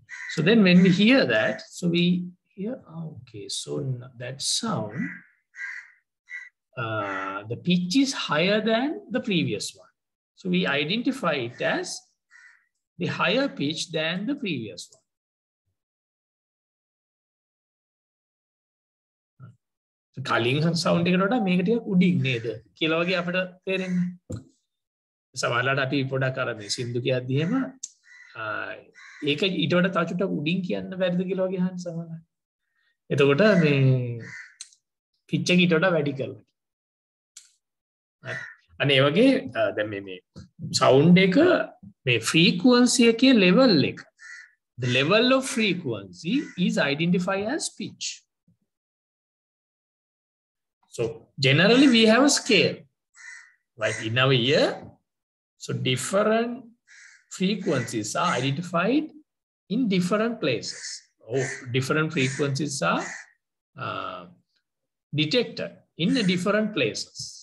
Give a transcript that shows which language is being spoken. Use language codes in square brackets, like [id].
[en] So then when we hear that, so we hear, okay, so that sound, the pitch is higher than the previous one. So we identify it as the higher pitch than the previous one. The calling sound [si] එකට වඩා මේක ටිකක් උඩින් නේද කියලා වගේ අපිට තේරෙන්නේ. සමහර වෙලාවට අපි පොඩක් අර මේ සින්දු කියද්දි එහෙම ඒක ඊට වඩා තාචුට උඩින් කියන්න බැරිද කියලා වගේ අහන්න සමහර. එතකොට මේ පිච් එක ඊට වඩා වැඩි කරලා. හරි. අනේ ඒ වගේ දැන් මේ මේ සවුන්ඩ් එක මේ ෆ්‍රීකවන්සි එකේ ලෙවල් එක [en] the level of frequency is identified as pitch. So generally we have a scale like in our ear. So different frequencies are identified in different places. Different frequencies are detected in the different places.